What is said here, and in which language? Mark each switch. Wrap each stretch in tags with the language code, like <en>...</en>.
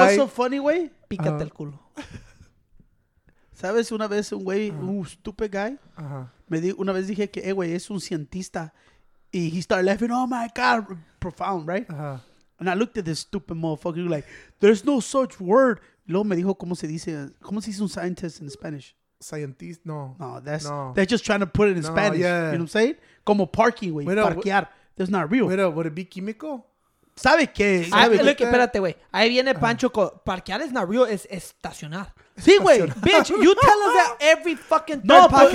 <es>What's so funny, güey? Pícate el culo. ¿Sabes? Una vez un güey, un stupid guy, una vez dije que, güey, es un cientista.</es> <en>Y he started laughing, oh my God, profound, right? Uh-huh. And I looked at this stupid motherfucker, like, there's no such word.</en> <es>Luego me dijo, ¿cómo se dice un scientist in Spanish?</es> <en>Scientist? No. No, that's just trying to put it in Spanish. Yeah. You know what I'm saying? Como parking, güey. Parquear. That's not real. Wait, would it be químico?</en> <es>¿Sabe qué? Look, espérate, güey. Ahí viene Pancho. Parquear is not real. Es estacionar. Sí, güey.</es> <en>Bitch, you tell us that every fucking third podcast.</en>